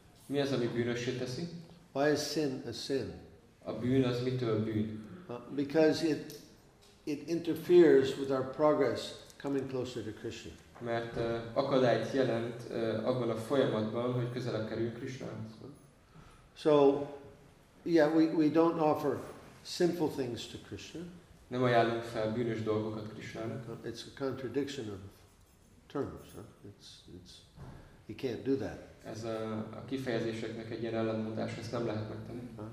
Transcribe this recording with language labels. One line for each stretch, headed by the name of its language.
Hungarian: Mi az, ami bűnössé teszi?
English: Why is sin a sin?
Hungarian: A bűn az mitől a bűn?
English: Because it interferes with our progress coming closer to Krishna.
Hungarian: Mert akadályt jelent abban a folyamatban, hogy közelebb kerüljünk Krishnához.
English: So, yeah, we don't offer sinful things to Krishna.
Hungarian: Nem ajánlunk fel bűnös dolgokat Krishnának.
English: It's a contradiction of terms. Huh? It's you can't do that.
Hungarian: Ez a kifejezéseknek egy ilyen ellentmondás, ezt nem lehet megtenni.